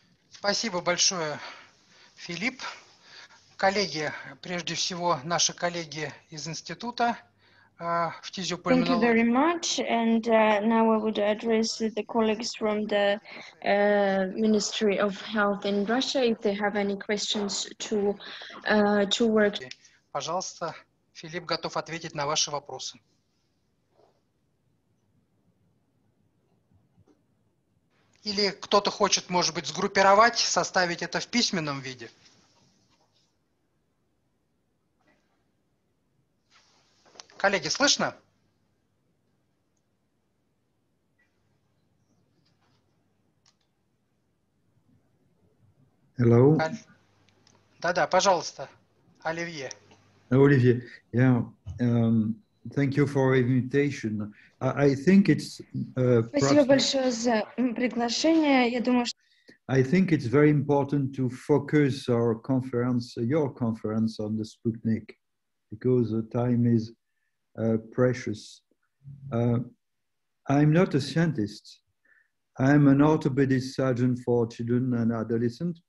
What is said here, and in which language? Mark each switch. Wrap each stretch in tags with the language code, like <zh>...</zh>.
<ru>Спасибо большое, Филипп. Коллеги, прежде всего, наши коллеги из института в тизиопульмонологии.</ru> <en>Thank you very much. And now I would address the colleagues from the Ministry of Health in Russia, if they have any questions to work.</en> <ru>Пожалуйста, Филипп готов ответить на ваши вопросы. Или кто-то хочет, может быть, сгруппировать, составить это в письменном виде? Коллеги, слышно?</ru> <en>Hello.</en> <ru>Да-да, пожалуйста, Оливье.</ru> <en>Оливье, yeah. Thank you for the invitation. I think it's</en> <ru>спасибо большое за приглашение. Я думаю, что</ru> <en>I think it's very important to focus our conference, your conference, on the Sputnik, because the time is precious. I'm not a scientist. I'm an orthopedic surgeon for children and adolescents.</en>